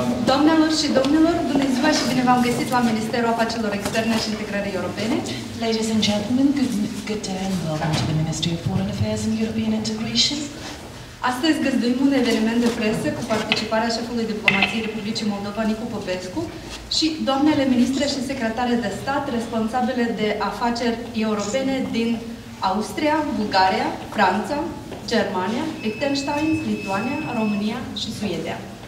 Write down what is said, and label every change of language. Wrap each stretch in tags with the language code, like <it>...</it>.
<ro>Doamnelor și domnilor, bună ziua și bine v-am găsit la Ministerul Afacerilor Externe și Integrării Europene.</ro> <en>Ladies and gentlemen, good day and welcome to the Ministry of Foreign Affairs and European Integration.</en> <ro>Astăzi găzduim un eveniment de presă cu participarea șefului diplomației Republicii Moldova, Nicu Popescu, și doamnele ministre și secretare de stat responsabile de afaceri europene din Austria, Bulgaria, Franța, Germania, Liechtenstein, Lituania, România și Suedia.</ro>